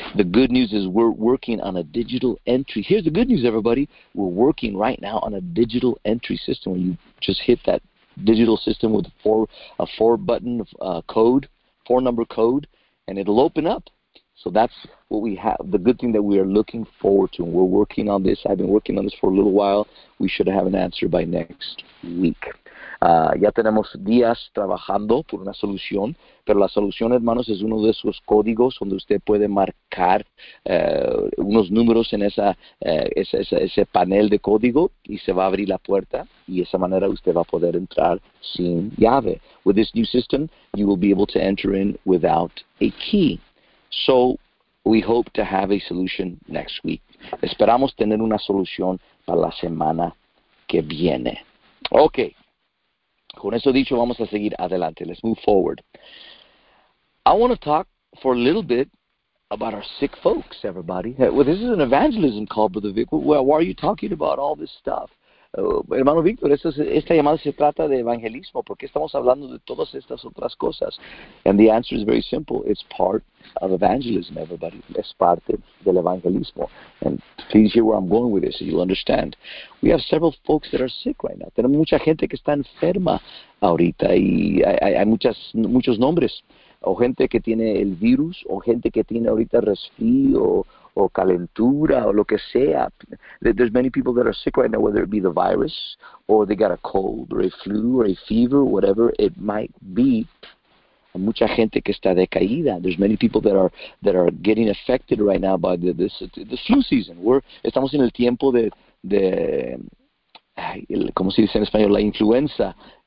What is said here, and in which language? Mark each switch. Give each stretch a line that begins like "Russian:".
English: The good news is we're working on a digital entry. Here's the good news, everybody. We're working right now on a digital entry system. When you just hit that digital system with four number code, and it'll open up. So that's what we have, the good thing that we are looking forward to. And we're working on this. I've been working on this for a little while. We should have an answer by next week.
Spanish: Ya tenemos días trabajando por una solución, pero la solución, hermanos, es uno de esos códigos donde usted puede marcar unos números en ese panel de código y se va a abrir la puerta y de esa manera usted va a poder entrar sin llave.
English: With this new system, you will be able to enter in without a key. So we hope to have a solution next week.
Spanish: Esperamos tener una solución para la semana que viene. Ok. Con eso dicho, vamos a seguir adelante.
English: Let's move forward. I want to talk for a little bit about our sick folks, everybody. Well, this is an evangelism call, Brother Vic. Well, why are you talking about all this stuff?
Spanish: Hermano Víctor, esta llamada se trata de evangelismo. ¿Por qué estamos hablando de todas estas otras cosas?
English: And the answer is very simple. It's part of evangelism, everybody.
Spanish: Es parte del evangelismo.
English: And please hear where I'm going with this, so you'll understand. We have several folks that are sick right now.
Spanish: Tenemos mucha gente que está enferma ahorita. Y hay muchos nombres. O gente que tiene el virus, o gente que tiene ahorita resfrío, o calentura, o lo que sea.
English: There's many people that are sick right now, whether it be the virus, or they got a cold, or a flu, or a fever, whatever it might be.
Spanish: Mucha gente que está decaída.
English: There's many people that are getting affected right now by the flu season.
Spanish: Estamos en el tiempo ¿cómo se dice en español? La influenza.